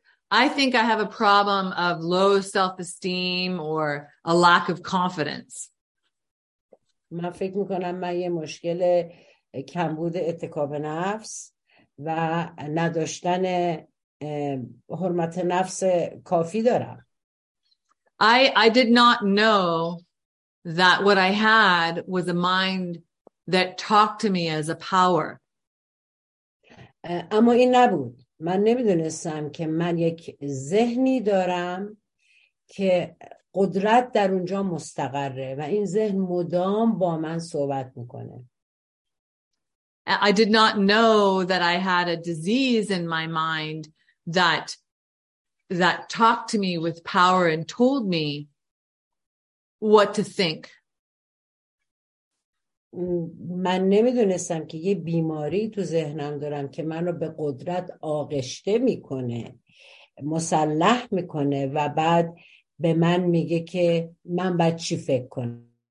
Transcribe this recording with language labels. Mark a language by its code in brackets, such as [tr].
[en] I think I have a problem of low self-esteem or a lack of confidence. [fa] من فکر میکنم من یه مشکل کمبود اتکا به نفس و نداشتن حرمت نفس کافی دارم. [en] I did not know that what I had was a mind that talked to me as a power. [fa] اما این نبود. من نمیدونستم که من یک ذهنی دارم که قدرت در اونجا مستقره و این ذهن مدام با من صحبت میکنه. [en] I did not know that I had a disease in my mind that talked to me with power and told me what to think. [fa] من نمیدونستم که یه بیماری تو ذهنم دارم که منو به قدرت آغشته میکنه، مسلح میکنه و بعد به من میگه که من باید چی فکر کنم.